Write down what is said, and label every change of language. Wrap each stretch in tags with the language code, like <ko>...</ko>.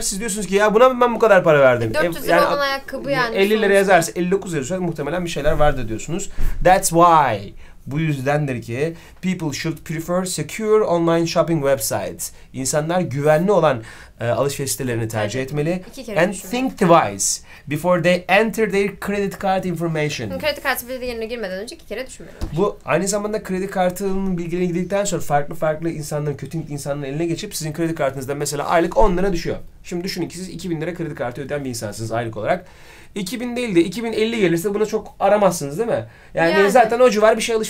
<tr>Siz diyorsunuz ki ya buna ben bu kadar para verdim. 400 lira yani, olan ayakkabı yani. 50 lira yazarsa 59 lira muhtemelen bir şeyler vardı diyorsunuz.</tr> <en>That's why.</en> <tr>Bu yüzdendir ki</tr> <en>people should prefer secure online shopping websites.</en> <tr>İnsanlar güvenli olan alışveriş sitelerini tercih, evet, etmeli. İki kere</tr> <en>and think twice before they enter their credit card information.</en> <tr>Kredi kartı bilgilerine girmeden önce iki kere düşünmüyorlar. Bu aynı zamanda kredi kartının bilgilerine girdikten sonra farklı farklı insanların, kötü insanların eline geçip sizin kredi kartınızdan mesela aylık 10 lira düşüyor. Şimdi düşünün ki siz 2000 lira kredi kartı öden bir insansınız aylık olarak. 2000 değil de 2050 gelirse bunu çok aramazsınız değil mi? Yani zaten o civar bir şey alışveriş</tr>